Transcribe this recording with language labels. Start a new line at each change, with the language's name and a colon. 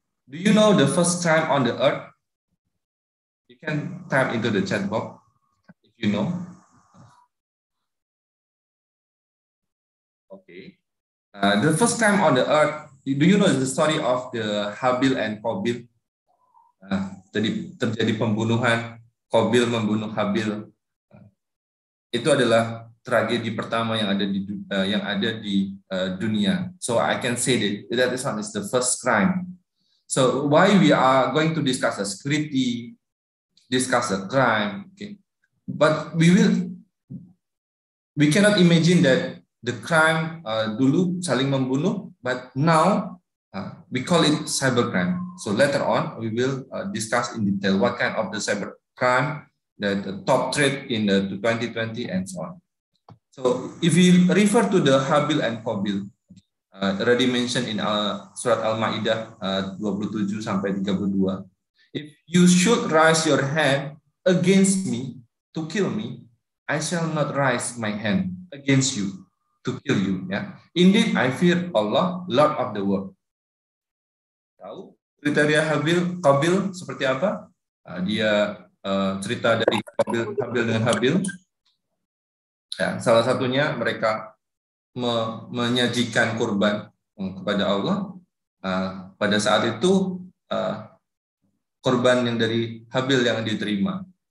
English: Do you know the first time on the earth? You can type into the chat box if you know. Okay. The first time on the earth, do you know the story of the Habil and Qabil?
Indonesian: Terjadi pembunuhan, Qabil membunuh Habil. Itu adalah tragedi pertama yang ada di dunia.
English: So I can say that this one is the first crime. So why we are going to discuss a scripty, discuss a crime, okay? But we cannot imagine that the crime
Indonesian: dulu saling membunuh,
English: but now we call it cybercrime. So later on we will discuss in detail what kind of the cybercrime, the top threat in the 2020 and so on. So if we refer to the Habil and Qabil, already mentioned in Surat Al-Ma'idah 27-32, if you should raise your hand against me to kill me, I shall not raise my hand against you to kill you. Yeah. Indeed, I fear Allah, Lord of the world.
Indonesian: Tahu kriteria Habil, Qabil seperti apa? Dia cerita dari Qabil dengan Habil. Ya, salah satunya mereka menyajikan kurban kepada Allah. Pada saat itu kurban yang dari Habil yang diterima.